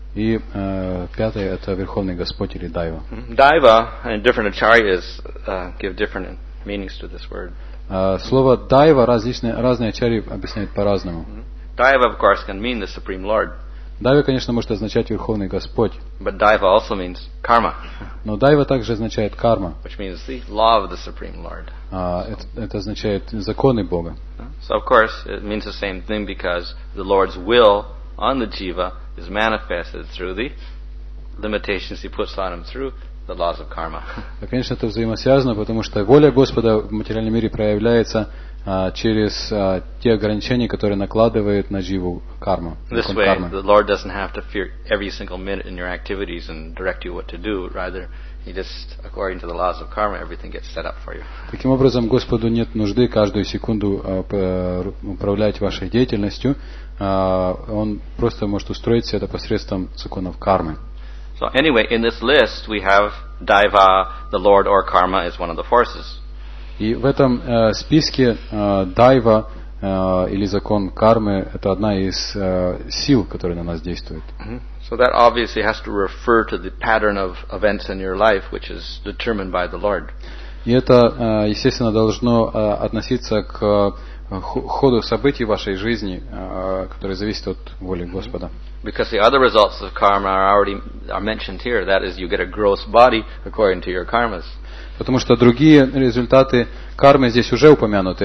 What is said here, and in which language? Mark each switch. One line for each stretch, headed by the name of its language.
Russian: И пятое – это Верховный Господь или Дайва.
English: Дайва, and different acharyas give different meanings to this word.
Russian: Слово Дайва разные ачарьи объясняют по-разному.
English: Дайва, of course, can mean the Supreme Lord.
Russian: Дайва, конечно, может означать Верховный Господь.
English: But Daiva also means karma.
Russian: Но Дайва также означает карма.
English: Which means the law of the Supreme Lord.
Russian: Это означает законы Бога.
English: So of course it means the same thing because the Lord's will on the jiva is manifested through the limitations he puts on him through the laws of karma.
Russian: Конечно, это взаимосвязано, потому что воля Господа в материальном мире проявляется через те ограничения, которые накладывает на живу карма.
English: This way, the Lord doesn't have to fear every single minute in your activities and direct you what to do. Rather, he just, according to the laws of karma, everything gets set up for you.
Russian: Таким образом, Господу нет нужды каждую секунду управлять вашей деятельностью. Он просто может устроить все это посредством законов кармы.
English: So anyway, in this list we have Daiva, the Lord, or karma is one of the forces.
Russian: И в этом списке дайва или закон кармы это одна из сил, которая на нас действует.
English: So that obviously has to refer to the pattern of events in your life, which is determined by the Lord.
Russian: И это, естественно, должно относиться к ходу событий вашей жизни, которые зависят от воли Господа.
English: Because the other results of karma are mentioned here. That is, you get a gross body according to your karmas.
Russian: Потому что другие результаты кармы здесь уже упомянуты.